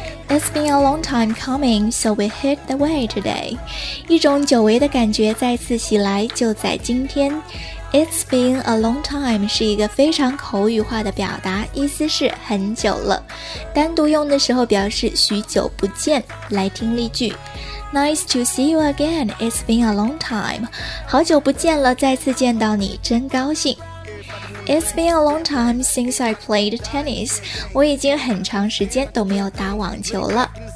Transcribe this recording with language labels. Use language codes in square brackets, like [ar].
[en] It's been a long time coming, so we hit the way today. [zh] 一种久违的感觉再次袭来，就在今天。 [en] It's been a long time [zh] 是一个非常口语化的表达，意思是很久了。单独用的时候表示许久不见。来听例句。 [en] Nice to see you again. It's been a long time. [zh] 好久不见了，再次见到你，真高兴。 [en] It's been a long time since I played tennis. [zh] 我已经很长时间都没有打网球了。